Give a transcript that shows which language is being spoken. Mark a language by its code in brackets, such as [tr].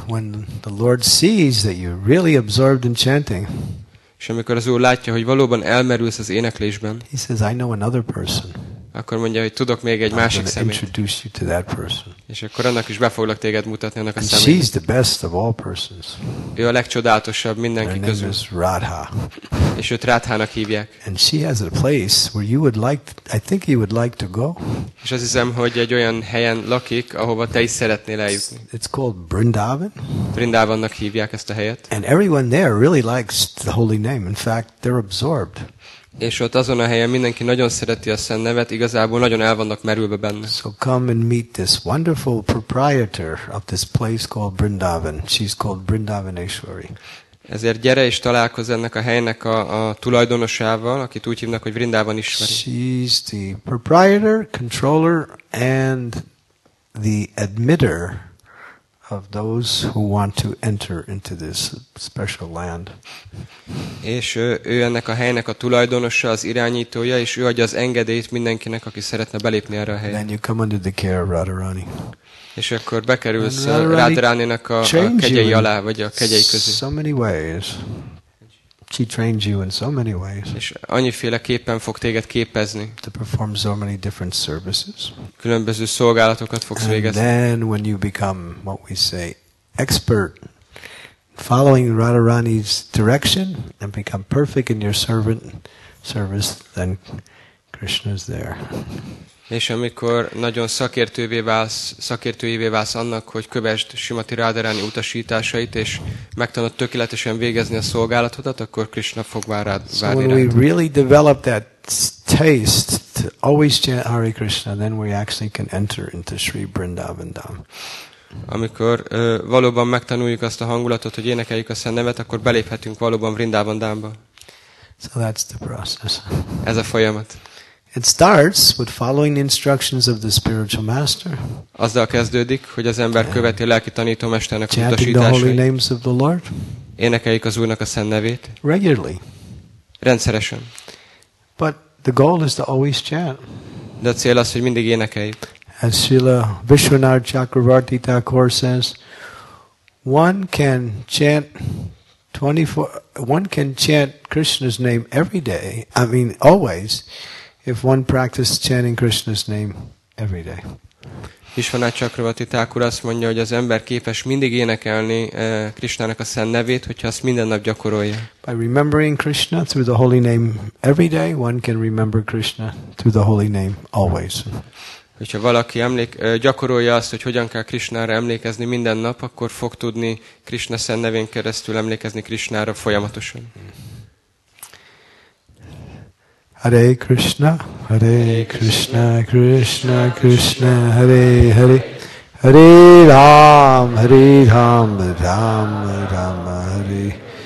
[en] When the Lord sees that you're really absorbed in chanting. [hu] És amikor az Úr látja, hogy valóban elmerülsz az éneklésben. [en] He says, I know another person. [hu] Akkor mondja, hogy tudok még egy másik személyt. És akkor annak is be foglak téged mutatni annak a személynek. [en] She's the best of all persons. [hu] Ő a legcsodálatosabb mindenki közül. [en] Her name is Radha. [hu] És őt Radhának hívják. [en] And she has a place where you would like, I think you would like to go. [hu] És azt hiszem, hogy egy olyan helyen lakik, ahova te is szeretnél eljutni. [en] It's called Vrindavan. [hu] Vrindavannak hívják ezt a helyet. [en] And everyone there really likes the holy name. In fact, they're absorbed. [hu] És ott azon a helyen mindenki nagyon szereti a szent nevet, igazából nagyon el vannak merülve benne. [en] So come and meet this wonderful proprietor of this place called Vrindavan. She's called Vrindavaneshwari. [hu] Ezért gyere és találkozz ennek a helynek a tulajdonosával, akit úgy hívnak, hogy Vrindavan Ishwari. [en] She's the proprietor, controller and the admitter of those who want to enter into this special land. [hu] És ő ennek a helynek a tulajdonosa, az irányítója, és ő adja az engedélyt mindenkinek, aki szeretne belépni erre a helyre. [en] Then you come under the care of Radharani. [hu] És akkor bekerülsz Radharaninak a kegyei alá, vagy a kegyei közé. [en] So many ways. She trains you in so many ways. [hu] És annyiféleképpen fog téged képezni. [en] To perform so many different services. [hu] Különböző szolgálatokat fogsz végezni. [en] And then when you become what we say expert following Radharani's direction and become perfect in your servant service, then Krishna is there. [hu] És amikor nagyon szakértőjévé válsz annak, hogy kövesd Srimati Radharani utasításait, és megtanod tökéletesen végezni a szolgálatodat, akkor Krishna fog várni rád. [en] So when we really develop that taste to always chant Hare Krishna, then we actually can enter into Sri Vrindavan Dham. [hu] Amikor valóban megtanuljuk azt a hangulatot, hogy énekeljük a szent nevet, akkor beléphetünk valóban Vrindavan Dhamba. [en] So that's the process. [hu] Ez a folyamat. [en] It starts with following the instructions of the spiritual master. [hu] Azzal kezdődik, hogy az ember követi a lelki tanítómesternek utasításait. [en] Chanting the holy names of the Lord. [hu] Énekeljük az Úrnak a szent nevét. [en] Regularly. [hu] Rendszeresen. [en] But the goal is to always chant. [hu] De a cél az, hogy mindig énekeljük. [en] As Srila Vishwanath Chakravarti Thakur says, one can chant Krishna's name every day. I mean, always. If one practices chanting Krishna's name every day. [hu] Vishwanath Chakravarti Thakur azt mondja, hogy az ember képes mindig énekelni Krishnának a szent nevét, hogyha azt minden nap gyakorolja. [en] By remembering Krishna through the holy name every day, one can remember Krishna through the holy name always. [hu] Hogyha valaki gyakorolja azt, hogy hogyan kell Krishnára emlékezni minden nap, akkor fog tudni Krishna szent nevén keresztül emlékezni Krishnára folyamatosan. [sa] Hare Krishna, Hare Krishna, Krishna Krishna, Hare Hare, Hare Ram, Hare Ram, Ram Ram, Hare.